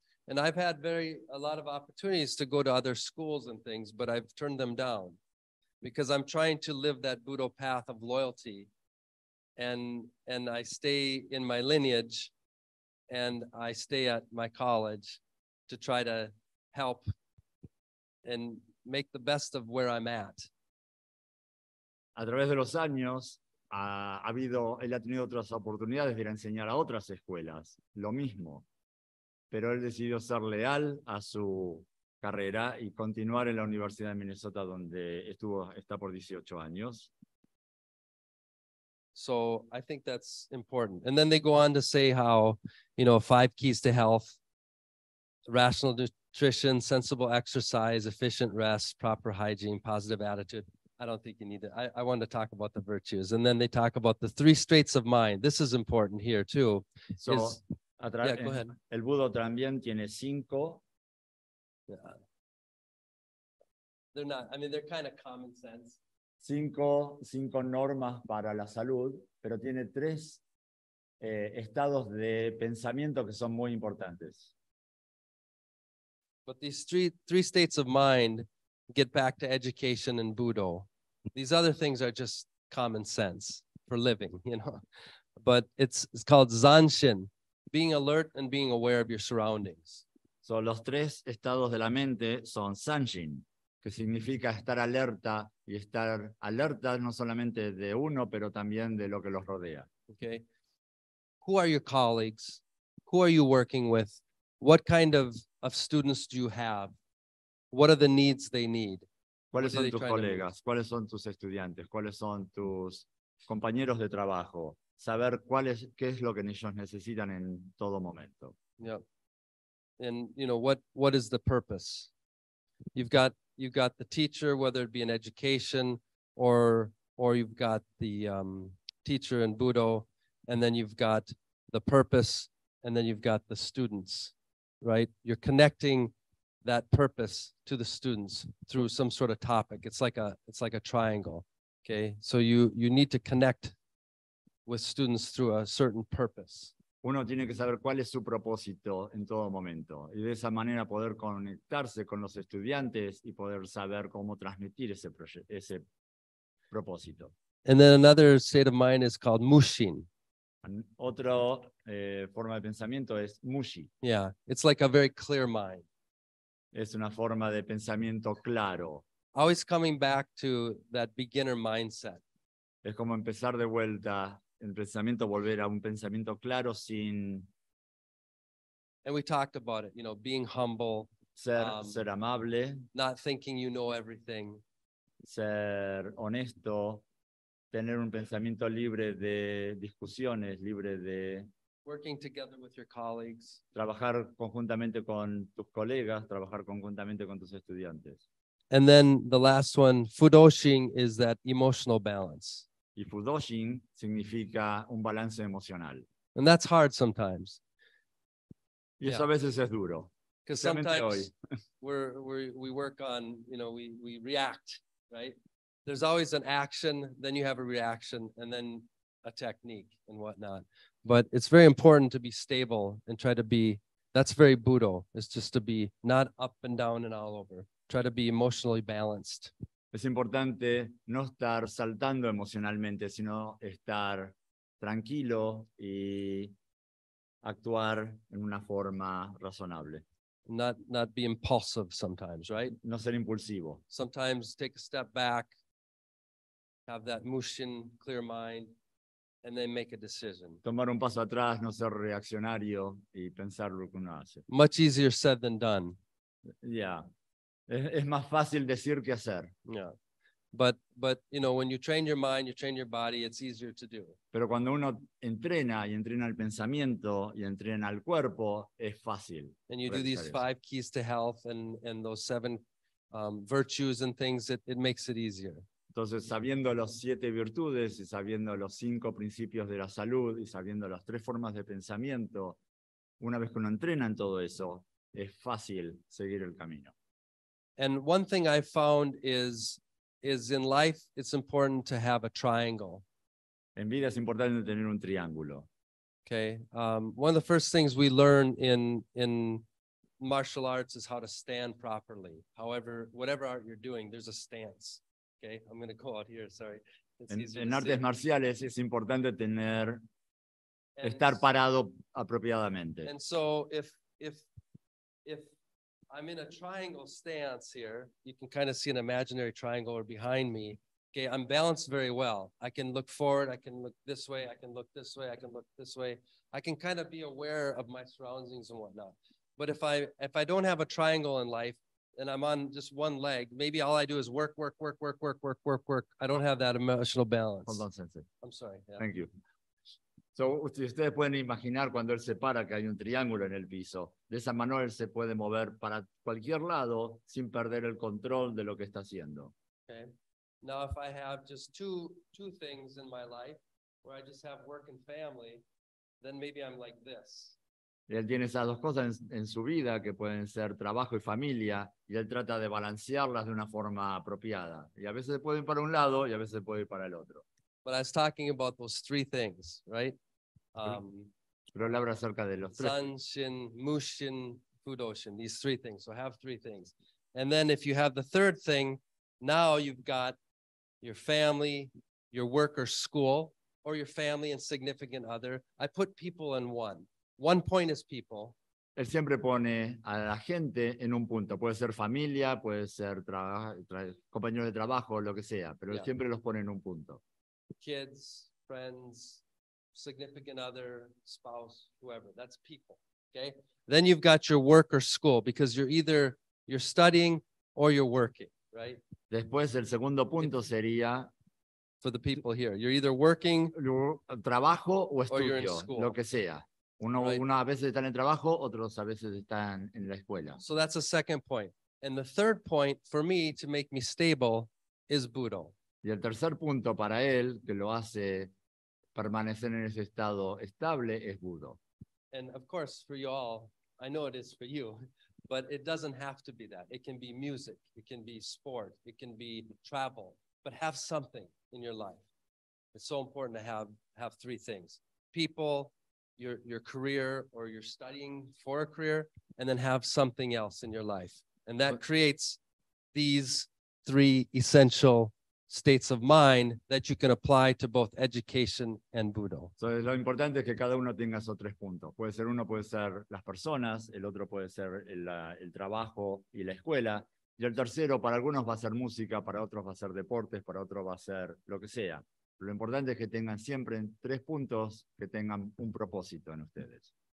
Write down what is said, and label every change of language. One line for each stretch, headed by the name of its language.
English: And I've had a lot of opportunities to go to other schools and things, but I've turned them down because I'm trying to live that Budo path of loyalty, and I stay in my lineage, and I stay at my college to try to help and make the best of where I'm at.
Spanish: A través de los años, él ha tenido otras oportunidades de ir a enseñar a otras escuelas, lo mismo. Pero él decidió ser leal a su carrera y continuar en la Universidad de Minnesota, donde está por 18 años.
English: So I think that's important. And then they go on to say how, you know, 5 keys to health, rational nutrition, sensible exercise, efficient rest, proper hygiene, positive attitude. I don't think you need that. I want to talk about the virtues. And then they talk about the 3 states of mind. This is important here too. So, go ahead.
Spanish: El Budo también tiene 5.
English: Yeah. They're not, I mean, they're kind of common sense.
Spanish: 5 normas para la salud, pero tiene 3 estados de pensamiento que son muy importantes.
English: But these three states of mind get back to education and Budo. These other things are just common sense for living, you know. But it's called Zanshin, being alert and being aware of your surroundings.
Spanish: So los tres estados de la mente son Zanshin, que significa estar alerta y estar alerta no solamente de uno, pero también de lo que los rodea.
English: Okay. Who are your colleagues? Who are you working with? What kind of students do you have? What are the needs they need?
Spanish: ¿Cuáles son tus colegas? ¿Cuáles son tus estudiantes? ¿Cuáles son tus compañeros de trabajo? Saber qué es lo que ellos necesitan en todo momento.
English: Yeah. And you know what is the purpose? You've got the teacher, whether it be in education or you've got the teacher in Budo, and then you've got the purpose, and then you've got the students, right? You're connecting that purpose to the students through some sort of topic. It's like a triangle, okay? So you need to connect with students through a certain purpose.
Spanish: Uno tiene que saber cuál es su propósito en todo momento y de esa manera poder conectarse con los estudiantes y poder saber cómo transmitir ese propósito.
English: And then another state of mind is called Mushin.
Spanish: Otra forma de pensamiento es Mushi.
English: Yeah, it's like a very clear mind.
Spanish: Es una forma de pensamiento claro.
English: Always coming back to that beginner mindset.
Spanish: Es como empezar de vuelta. El pensamiento, volver a un pensamiento claro sin...
English: And we talked about it, you know, being humble.
Spanish: Ser amable.
English: Not thinking you know everything.
Spanish: Ser honesto. Tener un pensamiento libre de discusiones, libre de...
English: Working together with your colleagues.
Spanish: Trabajar conjuntamente con tus colegas, trabajar conjuntamente con tus estudiantes.
English: And then the last one, Fudoshin, is that emotional balance.
Spanish: Y Fudoshin significa un balance emocional.
English: And that's hard sometimes.
Spanish: Y eso a veces es duro.
English: Because sometimes we work on, you know, we react, right? There's always an action, then you have a reaction, and then a technique and whatnot. But it's very important to be stable and try to be, that's very Budo. It's just to be not up and down and all over. Try to be emotionally balanced.
Spanish: Es importante no estar saltando emocionalmente, sino estar tranquilo y actuar en una forma razonable.
English: Not be impulsive sometimes, right?
Spanish: No ser impulsivo.
English: Sometimes take a step back, have that mushin, clear mind, and then make a decision.
Spanish: Tomar un paso atrás, no ser reaccionario y pensar lo que uno hace.
English: Much easier said than done.
Spanish: Yeah. Es más fácil decir que hacer.
English: Yeah. But you know, when you train your mind, you train your body, it's easier to do.
Spanish: Pero cuando uno entrena y entrena el pensamiento y entrena el cuerpo, es fácil.
English: And you do these five keys to health and those seven virtues and things, it makes it easier.
Spanish: Entonces, sabiendo los siete virtudes y sabiendo los cinco principios de la salud y sabiendo las tres formas de pensamiento, una vez que uno entrena en todo eso, es fácil seguir el camino.
English: And one thing I found is in life, it's important to have a triangle.
Spanish: En vida es importante tener un triángulo.
English: Okay. One of the first things we learn in martial arts is how to stand properly. However, whatever art you're doing, there's a stance. Okay. I'm going to go out here. Sorry.
Spanish: En artes marciales es importante tener, estar parado apropiadamente.
English: And so if I'm in a triangle stance here. You can kind of see an imaginary triangle or behind me. Okay, I'm balanced very well. I can look forward. I can look this way. I can look this way. I can look this way. I can kind of be aware of my surroundings and whatnot. But if I don't have a triangle in life and I'm on just one leg, maybe all I do is work, work, work, work, work, work, work, work. I don't have that emotional balance. Hold on, Sensei. I'm sorry. Yeah. Thank you.
Spanish: So, ustedes pueden imaginar cuando él se para que hay un triángulo en el piso. De esa manera él se puede mover para cualquier lado sin perder el control de lo que está haciendo.
English: Okay. Now, if I have just two things in my life where I just have work and family, then maybe I'm like this.
Spanish: Él tiene esas dos cosas en su vida que pueden ser trabajo y familia y él trata de balancearlas de una forma apropiada. Y a veces puede ir para un lado y a veces puede ir para el otro.
English: But I was talking about those three things, right?
Spanish: Pero él habla acerca de los
English: tres. Sanshin, Mushin, Fudoshin, these three things. So have three things. And then if you have the third thing, now you've got your family, your work or school, or your family and significant other. I put people in one. One point is people.
Spanish: Él siempre pone a la gente en un punto. Puede ser familia, puede ser compañeros de trabajo, lo que sea. Pero él siempre los pone en un punto.
English: Kids, friends, significant other, spouse, whoever. That's people. Okay. Then you've got your work or school, because you're either you're studying or you're working, right?
Spanish: Después el segundo punto sería
English: for the people here. You're either working,
Spanish: trabajo o estudio, lo que sea. Uno, right. Uno a veces está en trabajo, otros a veces están en la escuela.
English: So that's the second point. And the third point for me to make me stable is Budo. Y el tercer punto para él que lo hace permanecer en ese estado estable es Budo. And of course for you all, I know it is for you, but it doesn't have to be that. It can be music, it can be sport, it can be travel, but have something in your life. It's so important to have three things. People, your career, or you're studying for a career, and then have something else in your life. And that creates these three essential states of mind that you can apply to both education and Budo.
Spanish: So, lo importante es que cada uno tenga esos tres puntos. Puede ser uno, puede ser las personas, el otro puede ser el trabajo y la escuela. Y el tercero, para algunos va a ser música, para otros va a ser deportes, para otros va a ser lo que sea. Pero lo importante es que tengan siempre en tres puntos que tengan un propósito en ustedes.